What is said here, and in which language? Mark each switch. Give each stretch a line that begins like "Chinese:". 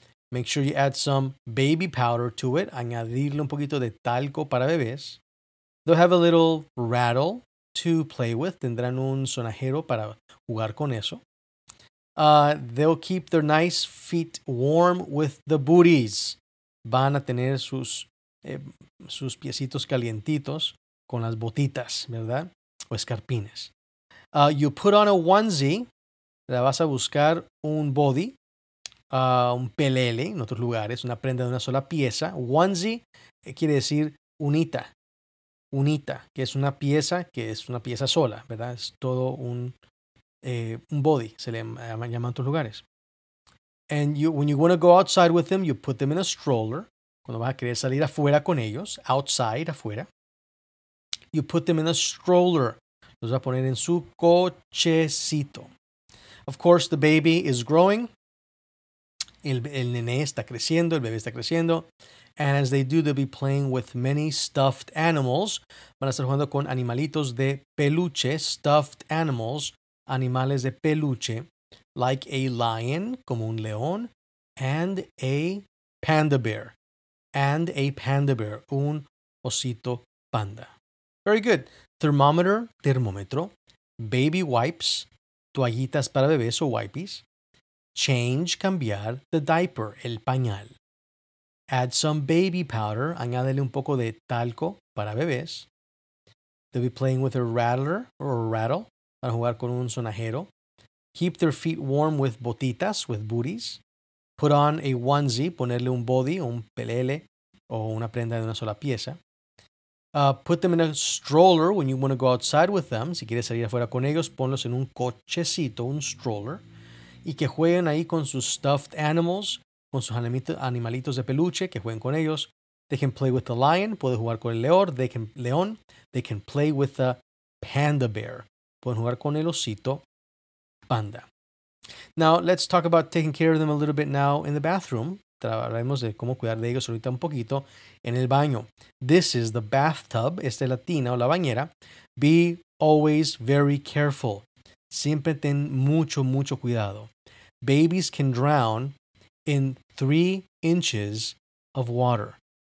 English: Make sure you add some baby powder to it.
Spanish: Añadirle un poquito de talco para bebés.
English: They'll have a little rattle to play with.
Spanish: Tendrán un sonajero para jugar con eso.
English: They'll keep their nice feet warm with the booties.
Spanish: Van a tener sus, sus piecitos calientitos con las botitas, ¿verdad? O escarpines.
English: You put on a onesie.
Spanish: La vas a buscar un body, un pelele en otros lugares, una prenda de una sola pieza. Onesie quiere decir unita. Unita, que es una pieza, que es una pieza sola, ¿verdad? Es todo un body, se le llama en otros lugares.
English: And you, when you want to go outside with them, you put them in a stroller.
Spanish: Cuando vas a querer salir afuera con ellos, outside, afuera.
English: You put them in a stroller.
Spanish: Los vas a poner en su cochecito.
English: Of course, the baby is growing.
Spanish: El nené está creciendo, el bebé está creciendo.
English: And as they do, they'll be playing with many stuffed animals.
Spanish: Van a estar jugando con animalitos de peluche, stuffed animals, animales de peluche,
English: like a lion,
Spanish: como un león,
English: and a panda bear,
Spanish: un osito panda.
English: Very good.
Spanish: Termómetro, baby wipes, toallitas para bebés o wipes, change, cambiar, the diaper, el pañal. Add some baby powder. Añádele un poco de talco para bebés.
English: They'll be playing with a rattler or a rattle.
Spanish: Van a jugar con un sonajero.
English: Keep their feet warm with botitas, with booties. Put on a onesie.
Spanish: Ponerle un body, un pelele o una prenda de una sola pieza.
English: Put them in a stroller when you want to go outside with them.
Spanish: Si quieres salir afuera con ellos, ponlos en un cochecito, un stroller. Y que jueguen ahí con sus stuffed animals. Con sus animalitos de peluche, que jueguen con ellos.
English: They can play with the lion.
Spanish: Puede jugar con el león.
English: They can play with the panda bear.
Spanish: Pueden jugar con el osito panda.
English: Now, let's talk about taking care of them a little bit now in the bathroom.
Spanish: Trataremos de cómo cuidar de ellos ahorita un poquito en el baño.
English: This is the bathtub.
Spanish: Esta es la tina o la bañera.
English: Be always very careful.
Spanish: Siempre ten mucho, mucho cuidado.
English: Babies can drown in 3 inches of water.